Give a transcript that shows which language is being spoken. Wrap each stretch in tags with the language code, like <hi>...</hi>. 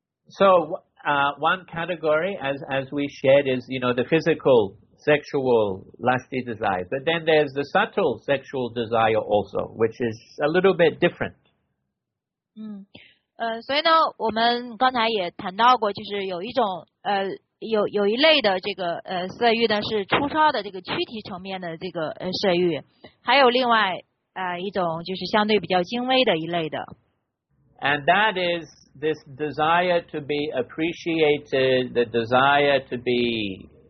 <en>So one category, as we shared, is, you know, the physical. Sexual lusty desire, but then there's the subtle sexual desire also, which is a little bit different.</en> <zh>所以呢，我们刚才也谈到过，就是有一种有一类的这个色欲呢，是粗糙的这个躯体层面的这个色欲，还有另外一种就是相对比较精微的一类的。</zh> <en>And that is this desire to be appreciated, the desire to be.</en>